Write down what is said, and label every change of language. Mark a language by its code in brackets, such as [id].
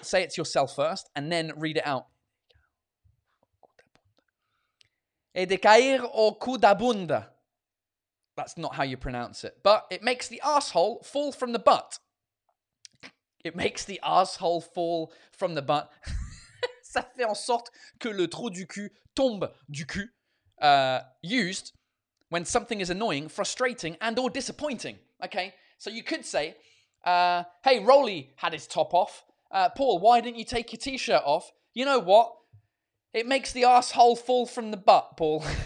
[en] Say it to yourself first and then read it out. Hey, Descartes ou Cudabunda. That's not how you pronounce it. But it makes the asshole fall from the butt. It makes the asshole fall from the butt. [fr] Ça fait en sorte que le trou du cul tombe du cul. [en] Used when something is annoying, frustrating, and or disappointing. Okay, so you could say, hey, Rolly had his top off. Paul, why didn't you take your t-shirt off? You know what? It makes the asshole fall from the butt, Paul.